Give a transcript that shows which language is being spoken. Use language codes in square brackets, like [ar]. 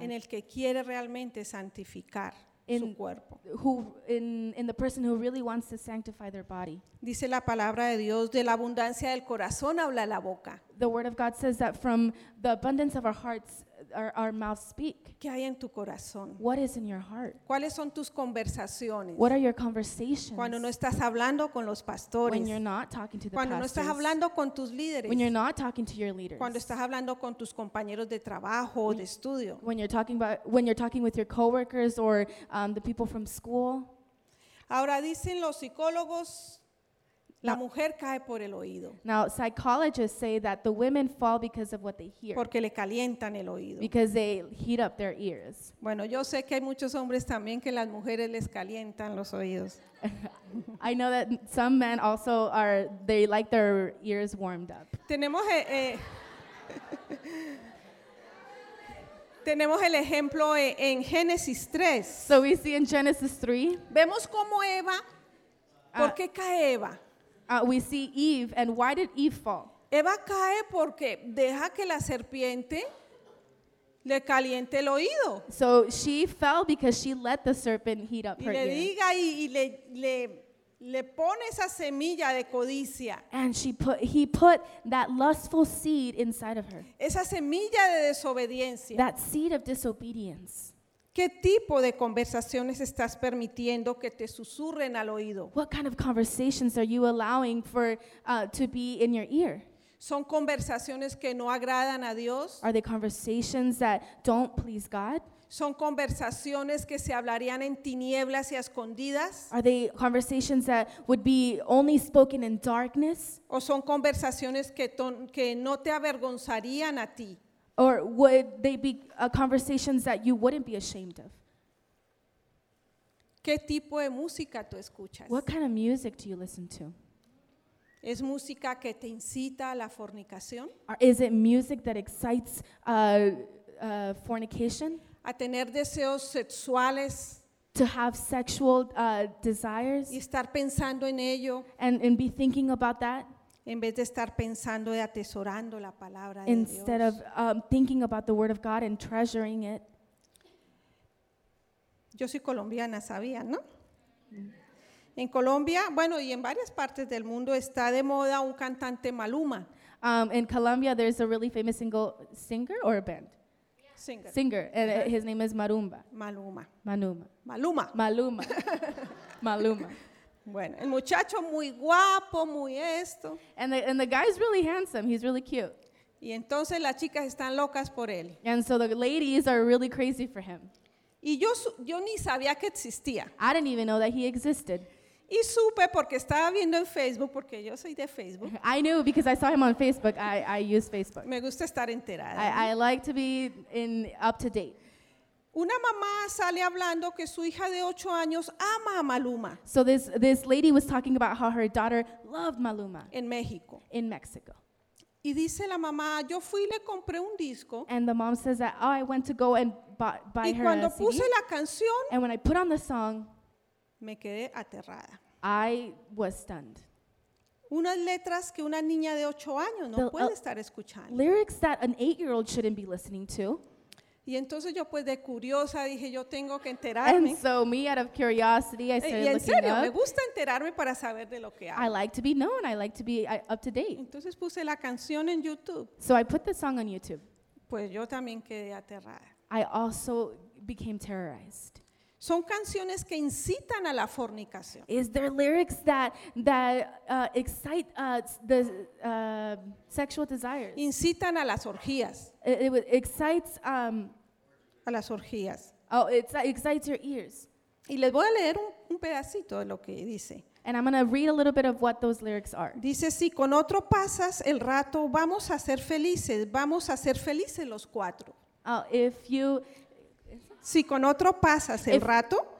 [es] En el que quiere realmente santificar [en] in [es] su cuerpo. [en] In the person who really wants to sanctify their body. [es] Dice la palabra de Dios, de la abundancia del corazón habla la boca. [en] The word of God says that from the abundance of our hearts, our mouths speak. [es] ¿Qué hay en tu corazón? [en] What is in your heart? [es] ¿Cuáles son tus conversaciones? [en] What are your conversations? [es] Cuando no estás hablando con los pastores. [en] When you're not talking to the pastors. [es] Cuando no estás hablando con tus líderes. [en] When you're not talking to your leaders. [es] Cuando estás hablando con tus compañeros de trabajo o de estudio. [en] When you're talking with your coworkers or the people from school. [es] Ahora dicen los psicólogos, la mujer cae por el oído. [en] Now, psychologists say that the women fall because of what they hear. [es] Porque le calientan el oído. [en] Because they heat up their ears. [es] Bueno, yo sé que hay muchos hombres también que las mujeres les calientan los oídos. [en] I know that some men also are, they like their ears warmed up. [es] Tenemos tenemos el ejemplo en Génesis 3. [en] So we see in Genesis 3. [es] Vemos cómo Eva, ¿por qué cae Eva? [en] We see Eve, and why did Eve fall? [es] Eva cae porque deja que la serpiente le caliente el oído. [en] So she fell because she let the serpent heat up [es] y [en] her [es] le [en] ear. [es] Diga y le pone esa semilla de codicia. [en] And he put that lustful seed inside of her. [es] Esa semilla de desobediencia. [en] That seed of disobedience. [es] ¿Qué tipo de conversaciones estás permitiendo que te susurren al oído? [en] What kind of conversations are you allowing for to be in your ear? [es] ¿Son conversaciones que no agradan a Dios? [en] Are they conversations that don't please God? [es] ¿Son conversaciones que se hablarían en tinieblas y a escondidas? [en] Are they conversations that would be only spoken in darkness? [es] ¿O son conversaciones que no te avergonzarían a ti? [en] Or would they be conversations that you wouldn't be ashamed of? [es] ¿Qué tipo de música tú escuchas? [en] What kind of music do you listen to? [es] ¿Es música que te incita a la fornicación? [en] Is it music that excites fornication? [es] ¿A tener deseos sexuales? [en] To have sexual desires? [es] ¿Y estar pensando en ello? [en] And be thinking about that? [es] En vez de estar pensando y atesorando la palabra [en] instead [es] de Dios. [en] Instead of thinking about the word of God and treasuring it. [es] Yo soy colombiana, sabía, ¿no? En Colombia, bueno, y en varias partes del mundo está de moda un cantante Maluma. [en] In Colombia there's a really famous singer or a band? Yeah. Singer. Singer. And his name is Marumba. Maluma. Manuma. Maluma. Maluma. Maluma. [es] Bueno, el muchacho muy guapo, muy esto. [en] And the guy is really handsome. He's really cute. [es] Y entonces las chicas están locas por él. [en] And so the ladies are really crazy for him. [es] Y yo ni sabía que existía. [en] I didn't even know that he existed. [es] Y supe porque estaba viendo en Facebook, porque yo soy de Facebook. [en] I knew because I saw him on Facebook. I use Facebook. [es] Me gusta estar enterada. [en] I like to be in up to date. [es] Una mamá sale hablando que su hija de 8 años ama a Maluma. [en] So this lady was talking about how her daughter loved Maluma. [es] En México. [en] In Mexico. [es] Y dice la mamá, yo fui y le compré un disco. [en] And the mom says that, oh, I went to go and buy her a CD. [es] Y cuando puse la canción, [en] and when I put on the song, [es] me quedé aterrada. [en] I was stunned. [es] Unas letras que una niña de 8 años no puede estar escuchando. [en] Lyrics that an 8-year-old shouldn't be listening to. [es] Y entonces yo pues de curiosa dije, yo tengo que enterarme. [en] And so me, out of curiosity, I started looking [es] serio, [en] up. [es] Y en serio, me gusta enterarme para saber de lo que hablo. [en] I like to be known, I like to be up to date. [es] Entonces puse la canción en YouTube. [en] So I put the song on YouTube. [es] Pues yo también quedé aterrada. [en] I also became terrorized. [es] Son canciones que incitan a la fornicación. [en] Is there lyrics that excite the sexual desires? [es] Incitan a las orgías. [en] It excites [es] a las orgías. [en] Oh, it excites your ears. [es] Y les voy a leer un pedacito de lo que dice. [en] And I'm going to read a little bit of what those lyrics are. [es] Dice, si con otro pasas el rato, vamos a ser felices los cuatro. [en] Oh, if you [es] si con otro pasas el rato.